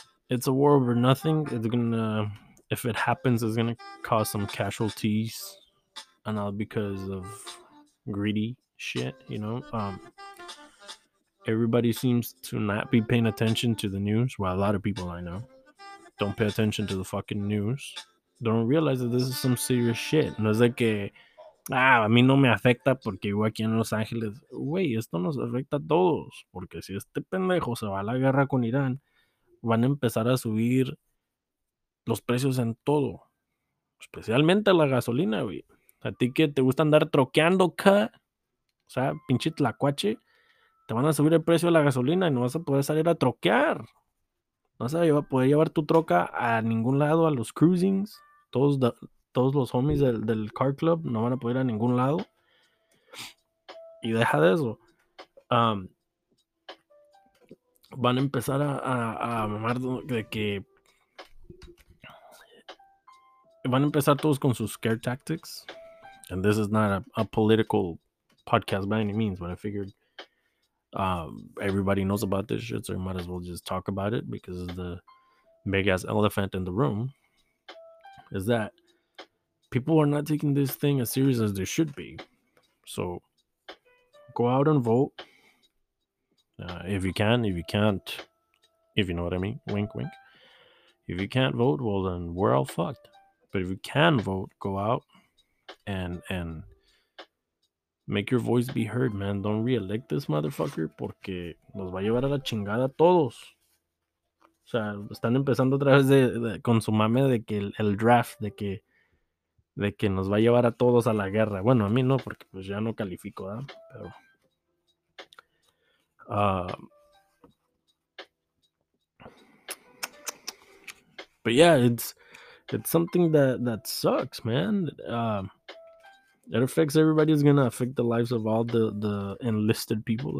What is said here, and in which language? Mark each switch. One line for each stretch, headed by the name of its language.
English: It's a war over nothing. It's gonna, if it happens, it's gonna cause some casualties and all because of greedy shit, you know? Everybody seems to not be paying attention to the news. Well, a lot of people I know don't pay attention to the fucking news. Don't realize that this is some serious shit.
Spanish: No es de que, a mí no me afecta porque vivo aquí en Los Ángeles. Güey, esto nos afecta a todos. Porque si este pendejo se va a la guerra con Irán, van a empezar a subir los precios en todo. Especialmente la gasolina, güey. A ti que te gusta andar troqueando, o sea, pinche tlacuache, te van a subir el precio de la gasolina y no vas a poder salir a troquear. No vas a poder llevar tu troca a ningún lado, a los cruisings. Todos los homies del car club no van a poder ir a ningún lado. Y deja de eso. Van a empezar a mamar de que... Van a empezar todos con sus
English: scare tactics. And this is not a political podcast by any means, but I figured... everybody knows about this shit, so you might as well just talk about it because it's the big ass elephant in the room. Is that people are not taking this thing as serious as they should be. So go out and vote. If you can, if you can't, if you know what I mean, wink, wink. If you can't vote, well, then we're all fucked. But if you can vote, go out and make your voice be heard, man. Don't re-elect this motherfucker
Spanish: porque nos va a llevar a la chingada a todos. O sea, están empezando otra vez de con su mame de que el draft, de que nos va a llevar a todos a la guerra. Bueno, a mí no, porque pues ya no califico, ¿verdad? Pero,
English: but yeah, it's something that sucks, man. It affects everybody. It's going to affect the lives of all the enlisted people.